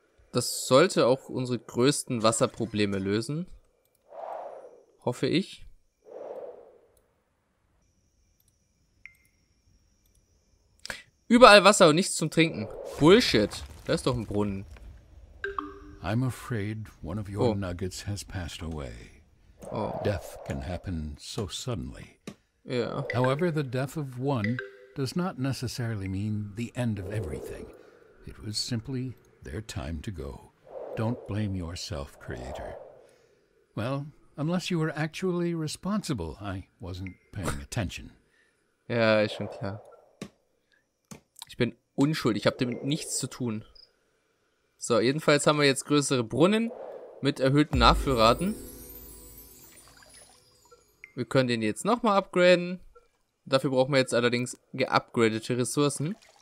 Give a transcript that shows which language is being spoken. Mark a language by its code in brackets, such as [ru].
[de] Das sollte auch unsere größten Wasserprobleme lösen. Hoffe ich. Überall Wasser und nichts zum Trinken. Bullshit. Da ist doch ein Brunnen. [en] I'm afraid one of your nuggets has passed away. Death can happen so suddenly. Yeah. However, the death of one does not necessarily mean the end of everything. It was simply their time to go. Don't blame yourself, Creator. Well, unless you were actually responsible, I wasn't paying attention. [de] Ja, ist schon klar. Ich bin unschuldig, ich habe damit nichts zu tun. So, jedenfalls haben wir jetzt größere Brunnen mit erhöhten Nachfüllraten. Wir können den jetzt nochmal upgraden. Dafür brauchen wir jetzt allerdings geupgradete Ressourcen.